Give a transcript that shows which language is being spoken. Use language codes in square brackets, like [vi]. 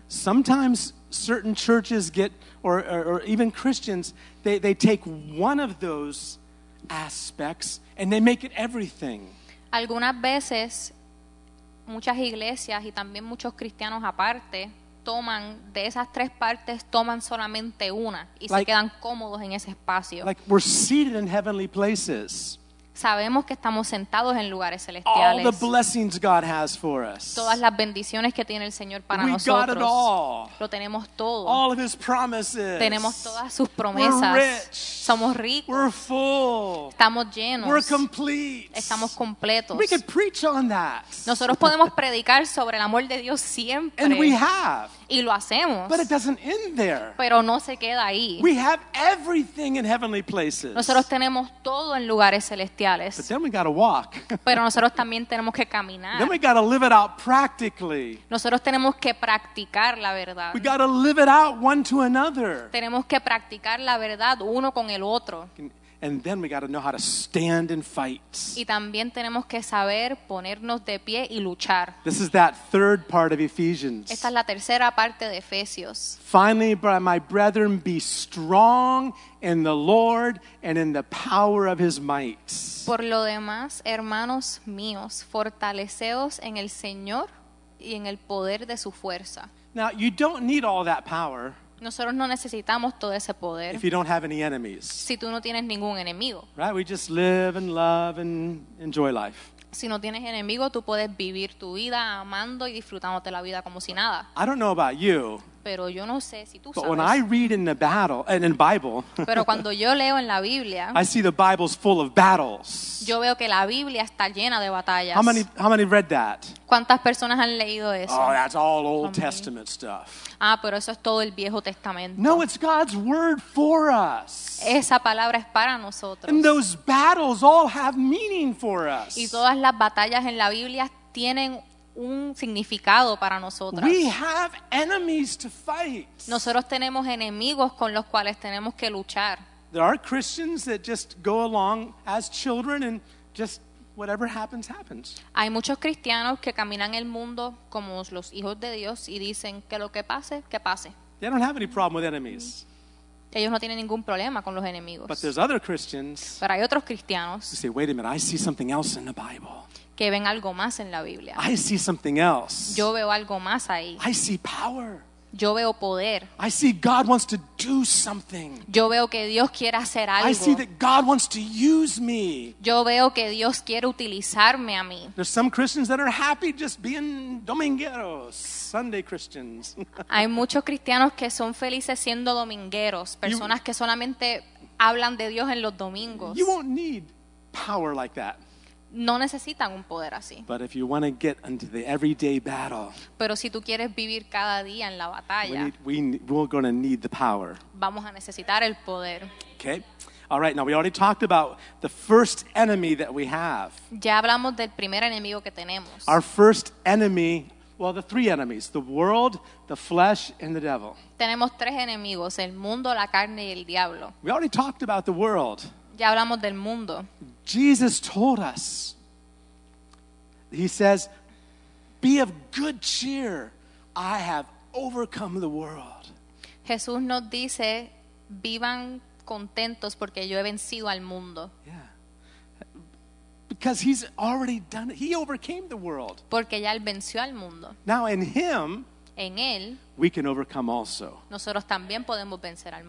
[en] Sometimes certain churches get, or even Christians, they take one of those aspects and they make it everything. [es] Algunas veces, muchas iglesias y también muchos cristianos aparte, toman de esas tres partes, toman solamente una y se quedan cómodos en ese espacio. [en] Like we're seated in heavenly places. [es] Sabemos que estamos sentados en lugares celestiales. [en] All the blessings God has for us. [es] Todas las bendiciones que tiene el Señor para [en] we [es] nosotros. [en] Got it all. [es] Lo tenemos todo. [en] All of His promises. [es] Tenemos todas sus promesas. [en] We're rich. [es] Somos ricos. [en] We're full. [es] Estamos llenos. [en] We're complete. [es] Estamos completos. [en] We could preach on that. [es] Nosotros podemos predicar sobre el amor de Dios siempre. [en] And we have. [es] Y lo hacemos. [en] But it doesn't end there. [es] Pero no se queda ahí. [en] We have everything in heavenly places. [es] Nosotros tenemos todo en lugares celestiales. [en] But then we got to walk. [es] Pero nosotros también tenemos que caminar. [en] Then we got to live it out practically. [es] Nosotros tenemos que practicar la verdad. [en] We got to live it out one to another. [es] Tenemos que practicar la verdad uno con el otro. [en] And then we got to know how to stand and fight. [es] Y también tenemos que saber ponernos de pie y luchar. [en] This is that third part of Ephesians. [es] Esta es la tercera parte de Efesios. [en] Finally, my brethren, be strong in the Lord and in the power of His might. [es] Por lo demás, hermanos míos, fortaleceos en el Señor y en el poder de su fuerza. [en] Now, you don't need all that power. [es] Nosotros no necesitamos todo ese poder. [en] If you don't have any enemies. [es] Si tú no tienes ningún enemigo. [en] Right? We just live and love and enjoy life. [es] Si no tienes enemigo, tú puedes vivir tu vida amando y disfrutándote la vida como si nada. [en] I don't know about you. [es] Pero yo no sé si tú [en] but [es] sabes. [en] When I read in the battle and in Bible. [es] Pero cuando yo leo en la Biblia. [en] I see the Bible's full of battles. [es] Yo veo que la Biblia está llena de batallas. [en] How many read that? [es] ¿Cuántas personas han leído eso? [en] Oh, that's all Old Testament stuff. [es] Ah, pero eso es todo el Viejo Testamento. [en] No, it's God's word for us. [es] Esa palabra es para nosotros. [en] And those battles all have meaning for us. [es] Y todas las batallas en la Biblia tienen un significado para nosotros. [en] We have enemies to fight. [es] Nosotros tenemos enemigos con los cuales tenemos que luchar. [en] There are Christians that just go along as children and just whatever happens, happens. [es] Hay muchos cristianos que caminan el mundo como los hijos de Dios y dicen que lo que pase, que pase. [en] They don't have any problem with enemies. [es] Ellos no tienen ningún problema con los enemigos. [en] But there's other Christians. [es] Pero hay otros cristianos. [en] Say, wait a minute, I see something else in the Bible. [es] Que ven algo más en la Biblia. [en] I see something else. [es] Yo veo algo más ahí. [en] I see power. [es] Yo veo poder. [en] I see God wants to do something. [es] Yo veo que Dios quiere hacer algo. [en] I see that God wants to use me. [es] Yo veo que Dios quiere utilizarme a mí. [en] There's some Christians that are happy just being domingueros, Sunday Christians. [es] Hay muchos cristianos que son felices siendo domingueros, personas que solamente hablan de Dios en los domingos. [en] You won't need power like that. [es] No necesitan un poder así. [en] But if you want to get into the everyday battle, [es] pero si tú quieres vivir cada día en la batalla, [en] we're going to need the power. [es] Vamos a necesitar el poder. [en] Okay. All right. Now we already talked about the first enemy that we have. [es] Ya hablamos del primer enemigo que tenemos. [en] Our first enemy, well, the three enemies: the world, the flesh, and the devil. [es] Tenemos tres enemigos: el mundo, la carne y el diablo. [en] We already talked about the world. [es] Ya hablamos del mundo. [en] Jesus told us, he says, be of good cheer, I have overcome the world. [es] Jesús nos dice, vivan contentos porque yo he vencido al mundo. [en] Yeah, because he's already done it. He overcame the world. [es] Porque ya él venció al mundo. [en] Now in him, [es] en él, [en] we can overcome also. [es] Nosotros también podemos vencer al mundo.